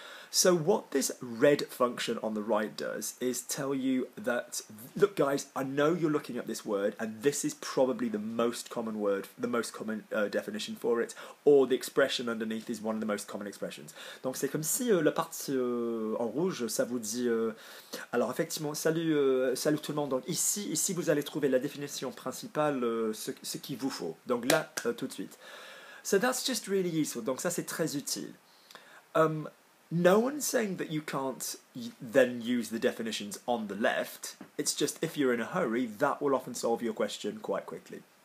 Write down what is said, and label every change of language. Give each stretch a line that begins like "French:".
English: So what this red function on the right does is tell you that, look guys, I know you're looking at this word and this is probably the most common word, the most common definition for it, or the expression underneath is one of the most common expressions.
French: Donc c'est comme si la partie en rouge, ça vous dit, alors effectivement, salut tout le monde, donc ici vous allez trouver la définition principale, ce qu'il vous faut, donc là, tout de suite.
English: So that's just really useful,
French: donc ça c'est très utile.
English: No one's saying that you can't then use the definitions on the left. It's just if you're in a hurry, that will often solve your question quite quickly.